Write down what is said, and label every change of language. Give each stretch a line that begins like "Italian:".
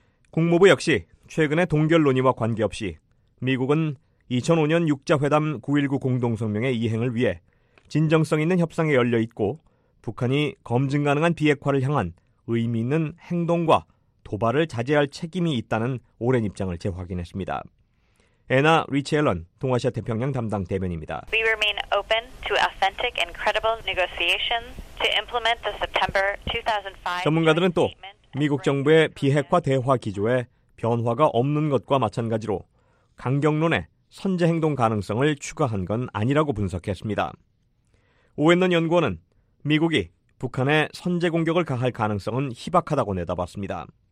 Korean: 국무부 역시 최근의 동결 논의와 관계없이 미국은 2005년 6자회담 9.19 공동성명의 이행을 위해 진정성 있는 협상에 열려 있고 북한이 검증 가능한 비핵화를 향한 의미 있는 행동과 도발을 자제할 책임이 있다는 오랜 입장을 재확인했습니다. 애나 리치 앨런 동아시아 태평양 담당 대변입니다.
English: We remain open to authentic and credible negotiations to implement the September 2005.
Korean: 전문가들은 또 미국 정부의 비핵화 대화 기조에 변화가 없는 것과 마찬가지로 강경론에 선제 행동 가능성을 추가한 건 아니라고 분석했습니다. 오웬런 연구원은 미국이 북한에 선제 공격을 가할 가능성은 희박하다고 내다봤습니다.